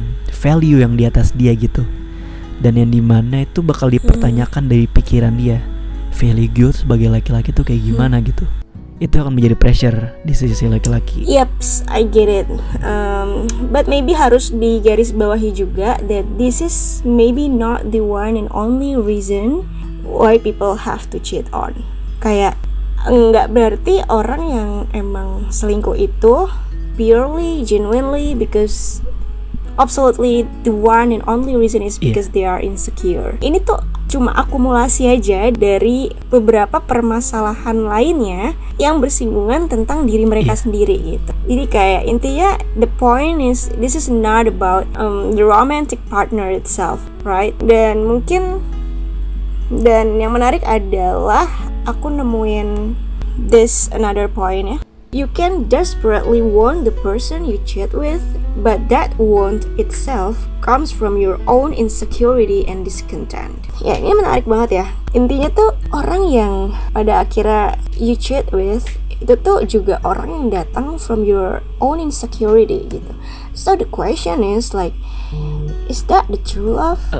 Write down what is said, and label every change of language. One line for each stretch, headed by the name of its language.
Indonesian: value yang di atas dia gitu, dan yang dimana itu bakal dipertanyakan dari pikiran dia, value gue sebagai laki-laki itu kayak gimana gitu. Itu akan menjadi pressure di sisi laki-laki.
English: Yeps, I get it. But maybe
Indonesian: harus digarisbawahi juga
English: that this is maybe not the one and only reason why people have to cheat on.
Indonesian: kayak nggak berarti orang yang emang selingkuh itu
English: purely, genuinely, because absolutely the one and only reason is because they are insecure.
Indonesian: Ini tuh cuma akumulasi aja dari beberapa permasalahan lainnya yang bersinggungan tentang diri mereka sendiri gitu. Jadi kayak intinya
English: the point is this is not about the romantic partner itself, right?
Indonesian: Dan mungkin dan yang menarik adalah aku nemuin
English: this another point
Indonesian: ya.
English: You can desperately want the person you chat with, but that want itself comes from your own insecurity and discontent.
Indonesian: Ya, ini menarik banget ya. Intinya tuh orang yang pada akhirnya
English: you chat with
Indonesian: itu tuh juga orang yang datang
English: from your own insecurity
Indonesian: gitu.
English: So the question is like, is that the true love?